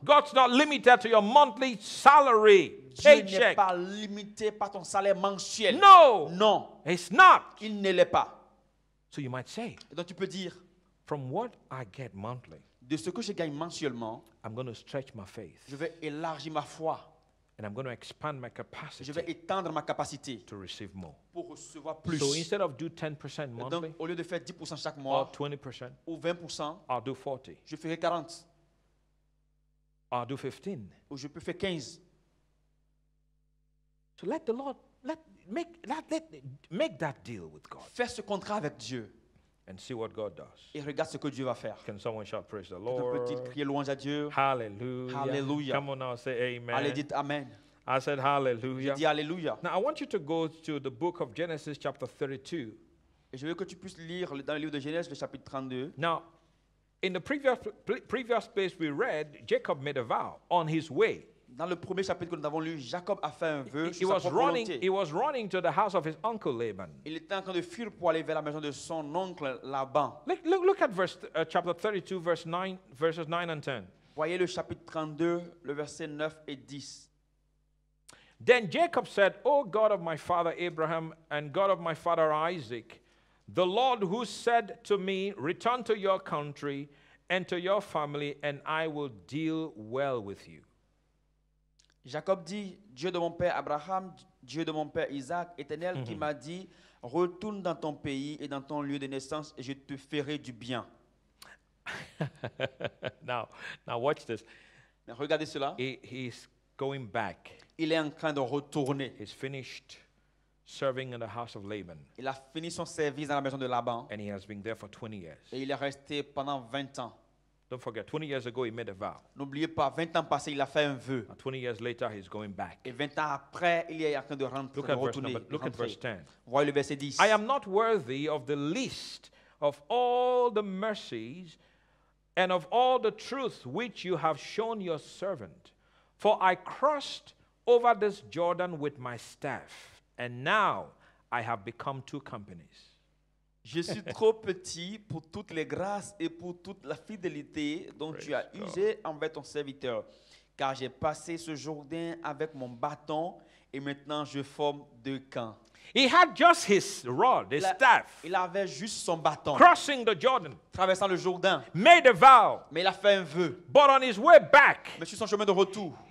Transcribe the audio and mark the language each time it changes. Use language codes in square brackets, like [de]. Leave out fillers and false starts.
[en] God's not limited to your monthly salary, paycheck. [fr] Dieu n'est pas limité par ton salaire mensuel. [en] No, [fr] non. [en] It's not. [fr] Il ne l'est pas. [en] So you might say. [fr] Et donc tu peux dire. [en] From what I get monthly. [fr] De ce que je gagne mensuellement. [en] I'm going to stretch my faith. [fr] Je vais élargir ma foi. [en] And I'm going to expand my capacity. [fr] Je vais étendre ma capacité [en] to receive more. [fr] Pour recevoir plus. [en] So instead of do 10% monthly, [fr] donc, au lieu de faire 10% chaque mois, [en] or 20%, [fr] ou 20%, [en] I'll do 40. [fr] Je ferai 40. [en] I'll do 15. [fr] Ou je peux faire 15. [en] So let the Lord make that deal with God. [fr] Fais ce contrat avec Dieu. [en] And see what God does. [fr] Et regarde ce que Dieu va faire. [en] Can someone shout praise the Lord? [fr] Peut-il crier louange à Dieu? Hallelujah. Hallelujah. [en] Come on now, say amen. [fr] Allez, dites amen. [en] I said hallelujah. [fr] J'ai dit hallelujah. [en] Now I want you to go to the book of Genesis chapter 32. [fr] Et je veux que tu puisses lire dans le livre de Genèse le chapitre 32. [en] Now, in the previous place we read, Jacob made a vow on his way. [fr] Dans le premier chapitre que nous avons lu, Jacob a fait un vœu sur sa propre volonté. [en] He was running to the house of his uncle Laban. [fr] Il était en train de fuir pour aller vers la maison de son oncle Laban. [en] Look at chapter 32, verses 9 and 10. [fr] Voyez le chapitre 32, le verset 9 et 10. [en] Then Jacob said, O God of my father Abraham and God of my father Isaac, the Lord who said to me, return to your country and to your family and I will deal well with you. [fr] Jacob dit, Dieu de mon père Abraham, Dieu de mon père Isaac, éternel qui m'a dit, retourne dans ton pays et dans ton lieu de naissance et je te ferai du bien. [en] Now watch this. [fr] Regardez cela. [en] He's going back. [fr] Il est en train de retourner. [en] He's finished serving in the house of Laban. [fr] Il a fini son service dans la maison de Laban. [en] And he has been there for 20 years. [fr] Et il est resté pendant 20 ans. [en] Don't forget, 20 years ago, he made a vow. [fr] N'oubliez pas, 20 ans passés, il a fait un vœu. [en] And 20 years later, he's going back. [fr] Et 20 ans après, il est en train de rentrer. [en] Look, [fr] de retourner, [en] look at verse 10. [fr] Voyez le verset 10. [en] I am not worthy of the least of all the mercies and of all the truth which you have shown your servant. For I crossed over this Jordan with my staff, and now I have become two companies. [fr] Je suis trop petit pour toutes les grâces et pour toute la fidélité dont [en] Praise [fr] tu as usé [en] God. [fr] Envers ton serviteur. Car j'ai passé ce Jourdain avec mon bâton et maintenant je forme deux camps. [en] He had just his rod, his staff. [fr] Il avait juste son bâton. [en] Crossing the Jordan. [fr] Traversant le Jourdain. [en] Made a vow. [fr] Mais il a fait un vœu. [en] But on his way back. [fr] Mais sur son chemin de retour.